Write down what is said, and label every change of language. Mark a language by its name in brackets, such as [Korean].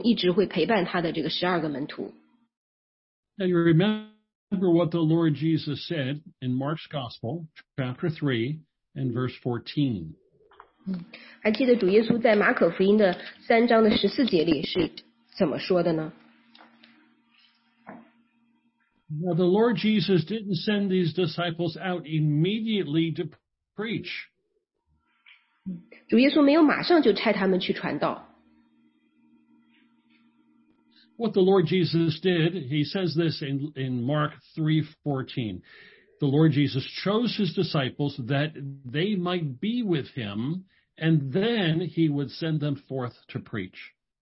[Chinese] 那还记得主耶稣基督拣选十二个门徒的之前的那个晚上，他是在山上祷告了一整晚，然后下来他才去拣选了在地上这个服事的过程中一直会陪伴他的这个十二个门徒。 [English] And you remember what the Lord Jesus said in Mark's Gospel, chapter 3 and verse 14. [Chinese] 还记得主耶稣在马可福音的3章的14节里是怎么说的呢？ [English] Now the Lord Jesus didn't send these disciples out immediately to preach. [Chinese] 主耶稣没有马上就差他们去传道。 [English] What the Lord Jesus did, he says this in Mark 3:14. The Lord Jesus chose his disciples that they might be with him, and then he would send them forth to preach.